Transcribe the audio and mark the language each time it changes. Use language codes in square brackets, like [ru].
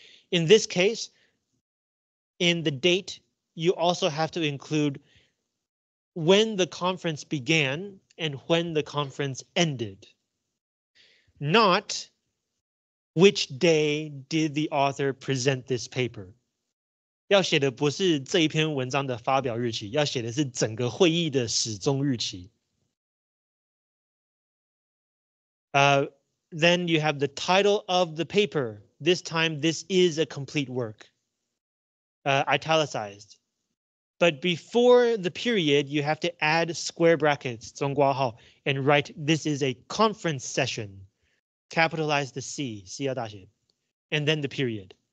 [en] In this case, in the date, you also have to include when the conference began and when the conference ended. Not which day did the author present this paper. [zh] 要写的不是这一篇文章的发表日期, 要写的是整个会议的始终日期. [en] Then you have the title of the paper. This time, this is a complete work, italicized. But before the period, you have to add square brackets, [zh] 中括号, [en] and write, this is a conference session, capitalize the C, [zh] 西要大写, [en] and then the period.